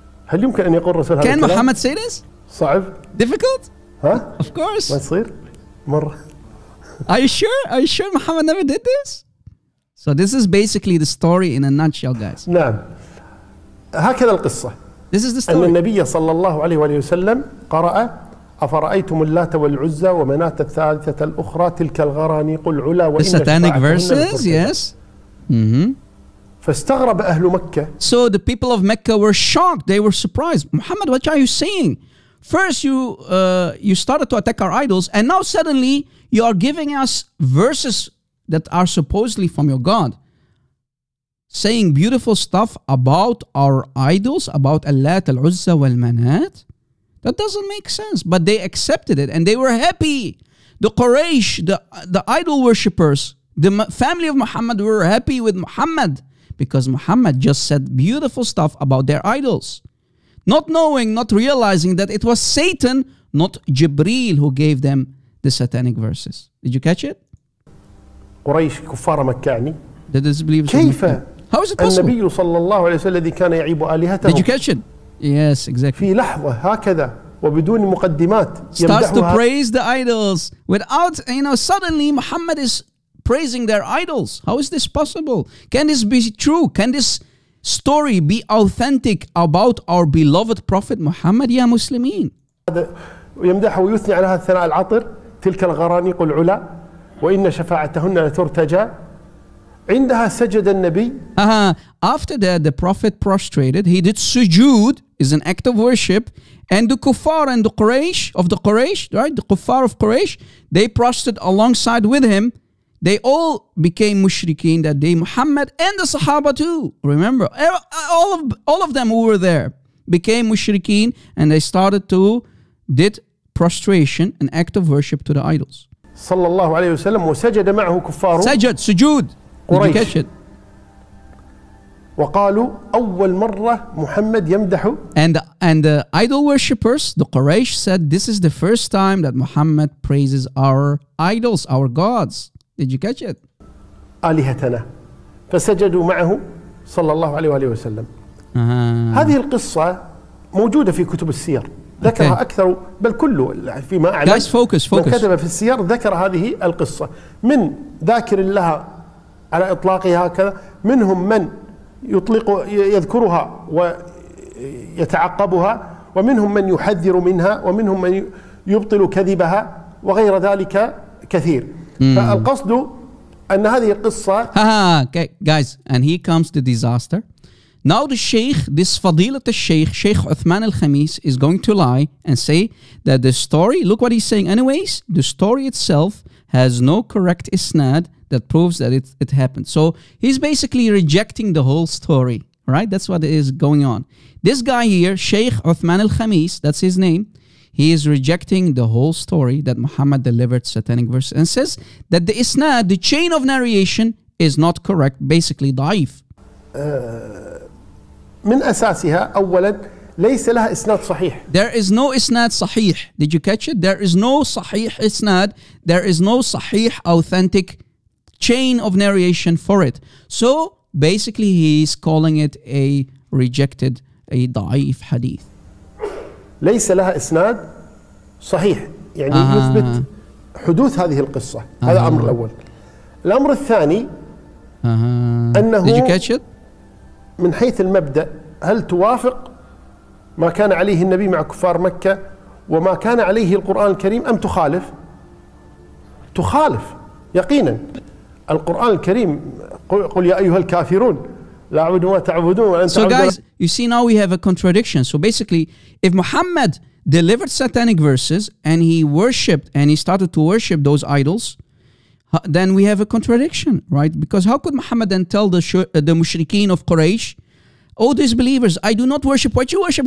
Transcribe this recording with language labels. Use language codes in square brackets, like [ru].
[en] Can Muhammad say this? [ar] صعب. [en] Difficult? Huh? Of course. [ar] ما يصير مرة. [en] Are you sure? Are you sure Muhammad never did this? So this is basically the story in a nutshell, guys. [ar] نعم. هكذا القصة. [en] This is the story. [ar] أن النبي صلى الله عليه وآله وسلم قرأ أفرأيتم اللات والعزة ومنات الثالثة الأخرى تلك الغرانيق العلا وإن [en] The satanic verses, yes. Mm-hmm. [ar] فاستغرب أهل مكة. [en] So the people of Mecca were shocked. They were surprised. Muhammad, what are you saying? First you started to attack our idols and now suddenly you are giving us verses that are supposedly from your God. Saying beautiful stuff about our idols, about Allat al-Uzza wal-Manat. That doesn't make sense. But they accepted it and they were happy. The Quraysh, the idol worshippers, the family of Muhammad were happy with Muhammad because Muhammad just said beautiful stuff about their idols. Not knowing, not realizing that it was Satan, not Jibreel, who gave them the satanic verses. Did you catch it? [ar] Quraysh, kuffar makkani. [en] The disbelievers [ar] كيف? [en] How is it possible? [ar] النبي صلى الله عليه وسلم الذي كان يعيب آلهته. [en] Did you catch it? Yes, exactly. [ar] في لحظة هكذا وبدون مقدمات. [en] Starts to praise the idols without, you know, suddenly Muhammad is praising their idols. How is this possible? Can this be true? Can this story be authentic about our beloved Prophet Muhammad, ya Muslimin? [ar] يمدحه ويثني على هذا الثناء العطر تلك الغرانيق العلا وإن شفاعتهن لترتجى عندها سجد النبي. [en] After that, the Prophet prostrated. He did sujood, is an act of worship, and the kuffar and the Quraysh of the Quraysh, right? The kuffar of Quraysh, they prostrated alongside with him. They all became mushrikeen that day. Muhammad and the Sahaba too. Remember, all of them who were there became mushrikeen, and they started to did prostration, an act of worship to the idols. [ar] Sallallahu alayhi wa sallam, وسجد معه كفار سجد سجود [en] قريش. Did you catch it? [ar] وقالوا أول مرة محمد يمدح. [en] And the idol worshippers, the Quraysh, said, this is the first time that Muhammad praises our idols, our gods. Did you catch it? [ar] آلهتنا. فسجدوا معه صلى الله عليه وآله وسلم. هذه القصة موجودة في كتب السير. ذكرها أكثر بل كله فيما أعلم. [en] Guys, focus. [ar] كتب في السير ذكر هذه القصة من ذاكر لها على إطلاقها هكذا منهم من يطلق يذكرها ويتعقبها ومنهم من يحذر منها ومنهم من يبطل كذبها وغير ذلك كثير. فالقصد أن هذه القصة. [en] Okay, guys, and here comes the disaster. Now the Sheikh, this Fadilat al-Sheikh, Sheikh Uthman al-Khamis, is going to lie and say that the story, look what he's saying anyways, the story itself has no correct isnad that proves that it happened. So he's basically rejecting the whole story, right? That's what is going on. This guy here, Sheikh Uthman al-Khamis, that's his name, he is rejecting the whole story that Muhammad delivered satanic verse and says that the isnad, the chain of narration, is not correct, basically daif. [ar] من أساسها أولاً ليس لها إسناد صحيح. [en] There is no [ar] إسناد صحيح. [en] Did you catch it? There is no [ar] صحيح إسناد. [en] There is no صحيح authentic chain of narration for it. So basically he is calling it a rejected, a [ar] ضعيف حديث. ليس لها إسناد صحيح. يعني يثبت حدوث هذه القصة. هذا الأمر الأول. الأمر الثاني أنه [en] Did you catch it? [ar] من حيث المبدأ هل توافق ما كان عليه النبي مع كفار مكة وما كان عليه القرآن الكريم أم تخالف؟ تخالف يقينا. القرآن الكريم قل يا أيها الكافرون لا أعبد ما تعبدون وأنت [en] So guys, you see now we have a contradiction. So basically, if Muhammad delivered satanic verses and he worshipped and he started to worship those idols, then we have a contradiction, right? Because how could Muhammad then tell the mushrikeen of Quraysh, oh, disbelievers, I do not worship what you worship.